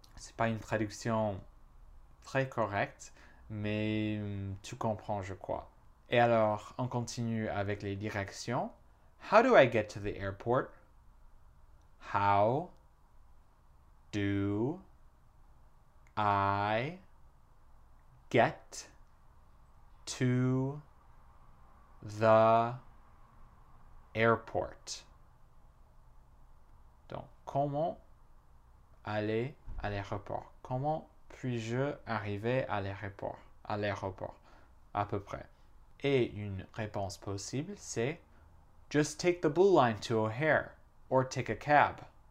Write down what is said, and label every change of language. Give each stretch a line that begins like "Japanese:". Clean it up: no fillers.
French: C'est pas une traduction très correcte, mais tu comprends, je crois. Et alors, on continue avec les directions.
English: How do I get to the airport? How do I get to the airport?
French: Donc, comment aller à l'aéroport? Comment puis-je arriver à l'aéroport? À l'aéroport, à peu près. Et une réponse possible, c'est
English: Just take the blue line to O'Hare or take a cab.